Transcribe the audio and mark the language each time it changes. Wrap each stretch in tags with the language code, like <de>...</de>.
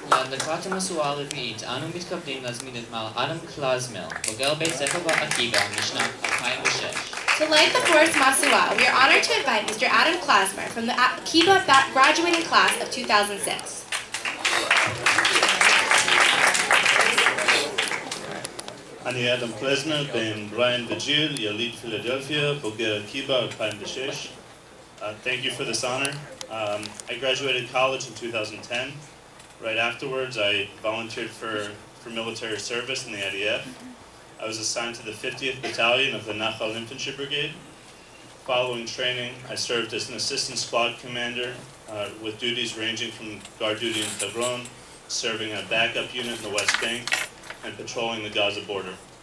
<he>לקראת המשואה הרביעית, אנו מתכבדים להזמין את מר אדם קלזמל, בוגר בית ספר בעקיבא משנת 2006.</he> <en>To light the fourth Matsuwa, we are honored to invite Mr. Adam Klasmer from the Akiba graduating class of 2006.</en> <he>אני אדם פלזנר, בן בריין וג'יל, יליד פילדלפיה, בוגר קיבה, 2006.</he> <en>Thank you for this honor. I graduated college in 2010. Right afterwards, I volunteered for military service in the IDF. I was assigned to the 50th Battalion of the Nachal Infantry Brigade. Following training, I served as an assistant squad commander with duties ranging from guard duty in Hebron, serving a backup unit in the West Bank, and patrolling the Gaza border.</en>